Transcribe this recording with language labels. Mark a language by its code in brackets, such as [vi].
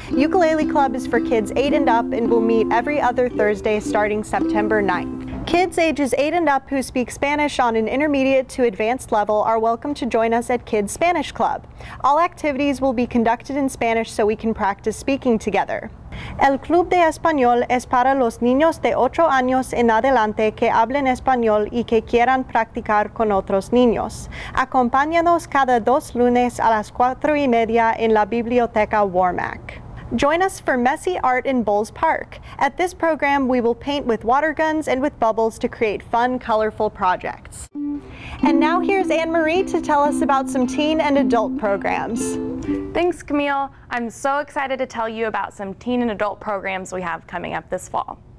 [en] Ukulele Club is for kids 8 and up and will meet every other Thursday starting September 9th. Kids ages 8 and up who speak Spanish on an intermediate to advanced level are welcome to join us at Kids Spanish Club. All activities will be conducted in Spanish so we can practice speaking together. [es] El Club de Español es para los niños de 8 años en adelante que hablen español y que quieran practicar con otros niños. Acompáñanos cada 2 lunes a las 4:30 en la Biblioteca Warmack. [en] Join us for Messy Art in Bowles Park. At this program, we will paint with water guns and with bubbles to create fun, colorful projects. And now here's Anne-Marie to tell us about some teen and adult programs. Thanks, Camille. I'm so excited to tell you about some teen and adult programs we have coming up this fall.